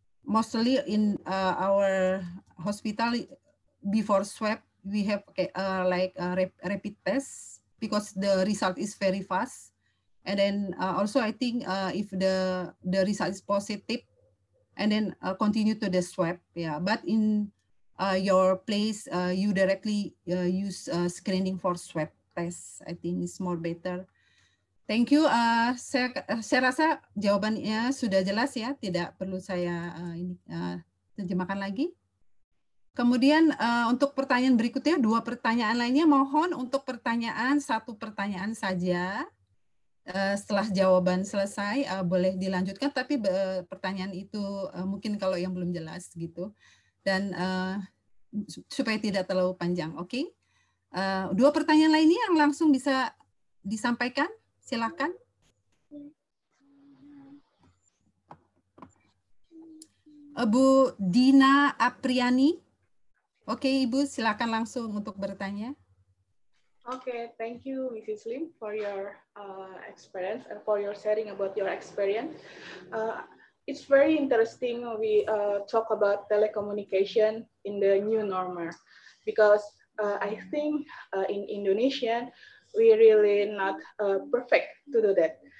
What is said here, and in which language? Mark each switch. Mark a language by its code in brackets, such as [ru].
[en] Mostly in our hospital, before swab, we have rapid test because the result is very fast. And then also, I think if the result is positive, and then continue to the swab. Yeah, but in your place, you directly use screening for swab test. I think it's more better. Thank you. [id] Saya rasa jawabannya sudah jelas ya, tidak perlu saya terjemahkan lagi. Kemudian untuk pertanyaan berikutnya, dua pertanyaan lainnya, mohon untuk pertanyaan, satu pertanyaan saja. Setelah jawaban selesai, boleh dilanjutkan, tapi pertanyaan itu mungkin kalau yang belum jelas gitu. Dan supaya tidak terlalu panjang, oke? Okay? Dua pertanyaan lainnya yang langsung bisa disampaikan, silakan. Bu Dina Apriani. Oke, Ibu, silakan langsung untuk bertanya. [en] Oke, thank you, Mrs. Lim, for your experience and for your sharing about your experience. It's very interesting we talk about telecommunication in the new normal, because I think in Indonesia, we really not perfect to do that.